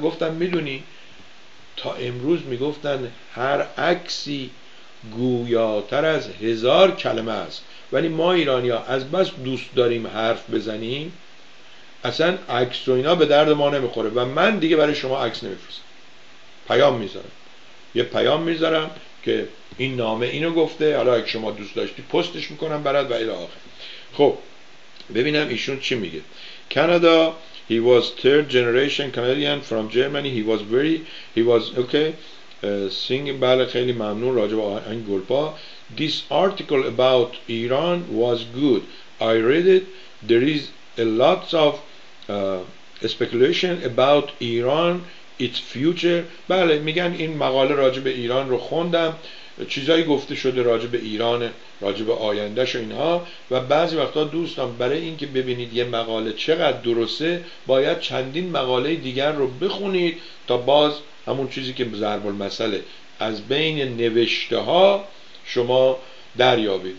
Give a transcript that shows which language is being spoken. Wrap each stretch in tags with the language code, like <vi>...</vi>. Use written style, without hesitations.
<fa>گفتم میدونی تا امروز میگفتن هر عکسی گویاتر از 1000 کلمه است، ولی ما ایرانی ها از بس دوست داریم حرف بزنیم اصلا عکس و اینا به درد ما نمیخوره و من دیگه برای شما عکس نمیفرستم، پیام میذارم. یه پیام میذارم که این نامه اینو گفته، حالا اگه شما دوست داشتی پستش میکنم برات و الی آخر. خب ببینم ایشون چی میگه.</fa> <en>Canada, he was third generation Canadian from Germany. he was singing.</en> <fa>بله خیلی ممنون. راجب آهنگ گلپا،</fa> <en>this article about Iran was good. I read it. there is a lot of speculation about Iran, its future.</en> <fa>بله میگن این مقاله راجب ایران رو خوندم، چیزایی گفته شده راجب ایران، راجب آیندهش و اینها. و بعضی وقتا دوستان برای اینکه ببینید یه مقاله چقدر درسته، باید چندین مقاله دیگر رو بخونید تا باز همون چیزی که ضرب المثل از بین نوشته ها شما دریابید.</fa>